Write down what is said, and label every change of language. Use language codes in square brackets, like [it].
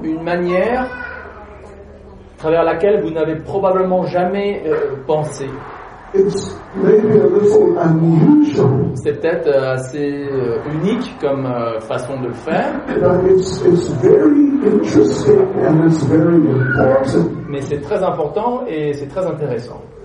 [fr] Une manière à travers laquelle vous n'avez probablement jamais pensé. [en] It's maybe a little unusual. [fr] C'est peut-être assez unique comme façon de le faire. [en] But it's very interesting and it's very important. [fr] Mais c'est très important et c'est très intéressant.